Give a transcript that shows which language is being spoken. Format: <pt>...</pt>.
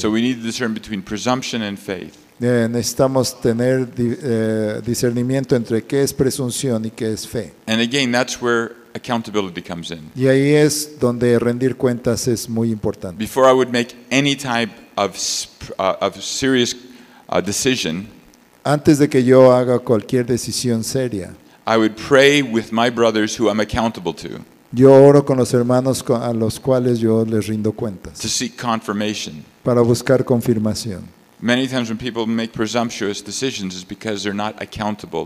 <en>So we need to discern between presumption and faith.</en> <es>Necesitamos tener discernimiento entre qué es presunción y qué es fe.</es> <en>And again, that's where accountability comes in.</en> <es>Y ahí es donde rendir cuentas es muy importante.</es> <en>Before I would make any type of serious decision,</en> <es>antes de que yo haga cualquier decisión seria,</es> <en>I would pray with my brothers who I'm accountable to.</en> <es>Yo oro con los hermanos a los cuales yo les rindo cuentas.</es> <en>To seek confirmation.</en> <es>Para buscar confirmación.</es> <en>Many times when people make presumptuous decisions is because they're not accountable.</en>